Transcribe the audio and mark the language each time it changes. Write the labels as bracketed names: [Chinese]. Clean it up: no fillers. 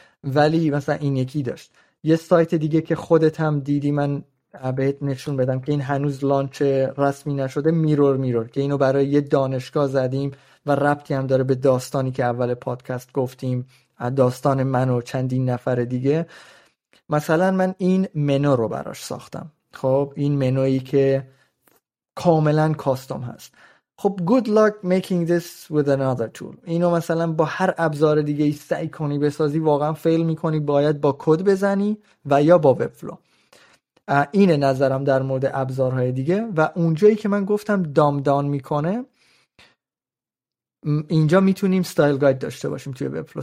[Persian] ولی مثلا این یکی داشت. یه سایت دیگه که خودت هم دیدی، من بهت نشون بدم که این هنوز لانچ رسمی نشده، میرور میرور، که اینو برای یه دانشگاه زدیم و ربطی هم داره به داستانی که اول پادکست گفتیم، داستان من و چندین نفر دیگه. مثلا من این منو رو براش ساختم. خب این منویی که کاملا کاستوم هست. [English] خب good luck making this with another tool. [Persian] اینو مثلا با هر ابزار دیگه ای سعی کنی بسازی واقعا فیل میکنی، باید با کد بزنی و یا با وب فلو. اینه نظرم در مورد ابزارهای دیگه. و اونجایی که من گفتم دام دان میکنه، اینجا میتونیم ستایل گاید داشته باشیم توی وب فلو.